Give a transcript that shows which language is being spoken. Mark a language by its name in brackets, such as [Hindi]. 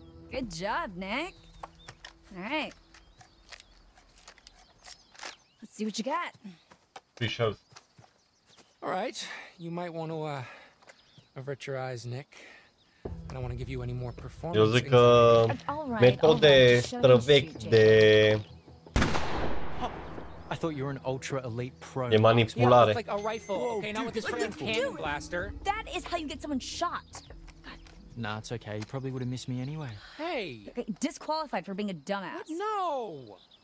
[English] Good job, Nick. Alright. Let's see what you got. Three shells. All right, you might want to avert your eyes, Nick. I don't want to give you any more performance. [Romanian] Eu zic că metode străvechi de... [English] I thought you were an ultra elite pro. [Romanian] De manipulare. [English] Yeah, like a rifle. Whoa, okay, now with this freaking cannon blaster. That is how you get someone shot. Nah, it's okay. You probably would have missed me anyway. Hey. Okay, disqualified for being a dumbass. What? No.